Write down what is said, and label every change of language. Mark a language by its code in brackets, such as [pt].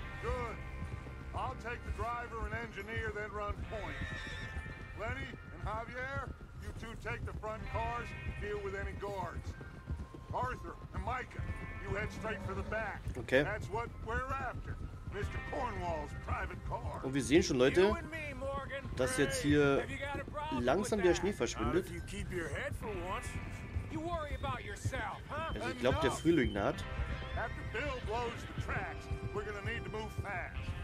[en] Good. I'll take the driver and engineer, then run point. Lenny and Javier, you two take the front cars, deal with any guards. Arthur and Micah, you head straight for the back. Okay. That's what we're after. Mr. Cornwall's private car. [de] Und wir sehen schon, Leute, dass jetzt hier langsam der Schnee verschwindet. Also ich glaube, der Frühling naht. [en] After Bill blows the tracks, we're gonna need to move fast.